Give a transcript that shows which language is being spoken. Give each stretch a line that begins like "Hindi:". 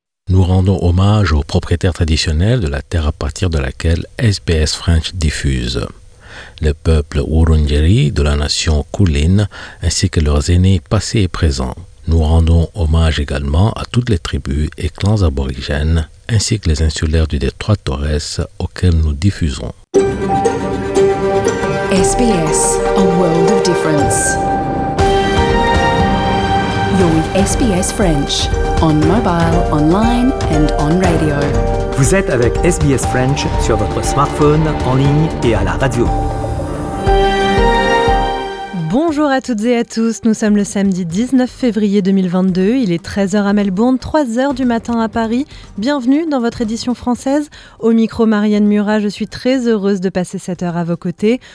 French: Nous rendons hommage aux propriétaires traditionnels de la terre à partir de laquelle SBS French diffuse. Le peuple Wurundjeri de la nation Kulin, ainsi que leurs aînés passés et présents. Nous rendons hommage également à toutes les tribus et clans aborigènes, ainsi que les insulaires du détroit Torres auxquels nous diffusons.
English: SBS, a world of difference. You're with SBS French, on mobile, online and on radio.
French: Vous êtes avec SBS French sur votre smartphone, en ligne et à la radio. Bonjour à toutes et à tous, nous sommes le samedi 19 février 2022, il est 13h à Melbourne, 3h du matin à Paris. Bienvenue dans votre édition française. Au micro Marianne Murat, je suis très heureuse de passer cette heure à vos côtés.